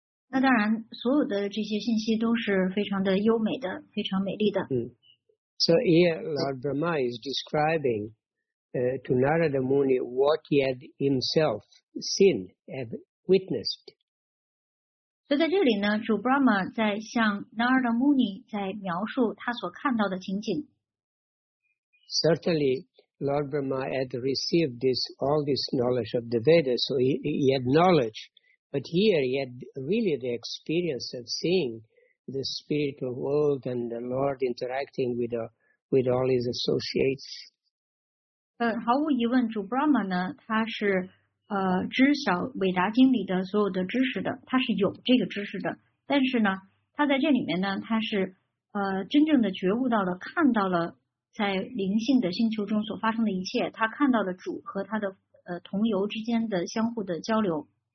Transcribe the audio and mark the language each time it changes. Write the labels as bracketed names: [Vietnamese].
[Chinese] 那当然，所有的这些信息都是非常的优美的，非常美丽的。 [English] So here, Lord Brahma is describing to Narada Muni what he had himself seen and witnessed. [Chinese] 所以在这里呢，主 Brahma 在向 Narada Muni 在描述他所看到的情景。 [English] Certainly. Lord Brahma had received all this knowledge of the Vedas, so he had knowledge. But here he had really the experience of seeing the spiritual world and the Lord interacting with all his associates. [Chinese] 毫无疑问，主 Brahma 呢，他是知晓《韦达经》里的所有的知识的，他是有这个知识的。但是呢，他在这里面呢，他是真正的觉悟到了，看到了。在灵性的星球中所发生的一切，他看到了主和他的同游之间的相互的交流。